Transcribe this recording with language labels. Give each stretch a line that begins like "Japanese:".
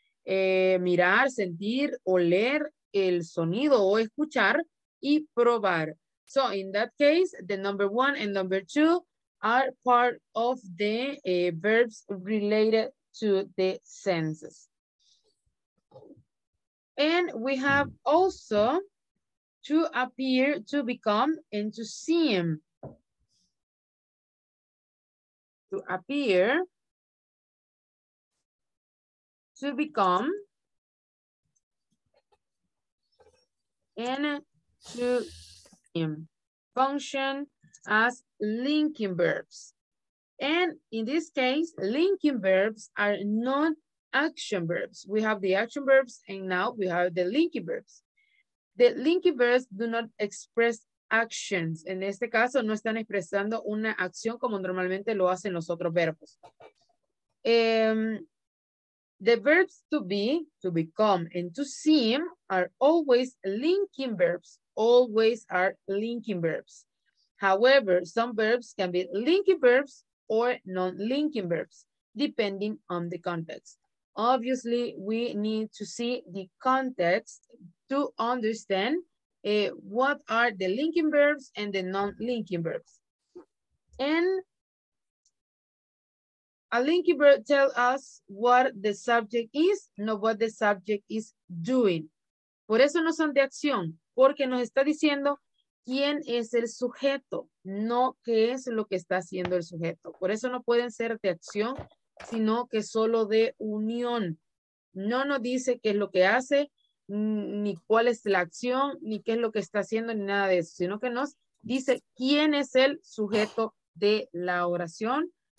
Spanish: Mirar, sentir, oler, el sonido o escuchar y probar.
English: So in that case, the number one and number two are part of the verbs related to the senses. And we have also to appear, to become, and to seem. To appear, to become, and to him function as linking verbs. And in this case, linking verbs are not action verbs. We have the action verbs and now we have the linking verbs. The linking verbs do not express actions.
Spanish: En este caso, no están expresando una acción como normalmente lo hacen los otros verbos.
English: The verbs to be, to become, and to seem are always linking verbs, always are linking verbs. However, some verbs can be linking verbs or non-linking verbs, depending on the context. Obviously, we need to see the context to understand what are the linking verbs and the non-linking verbs. And a linking verb tells us what the subject is, not what the subject is doing.
Spanish: Por eso no son de acción, porque nos está diciendo quién es el sujeto, no qué es lo que está haciendo el sujeto. Por eso no pueden ser de acción, sino que solo de unión. No nos dice qué es lo que hace, ni cuál es la acción, ni qué es lo que está haciendo, ni nada de eso, sino que nos dice quién es el sujeto de la oración.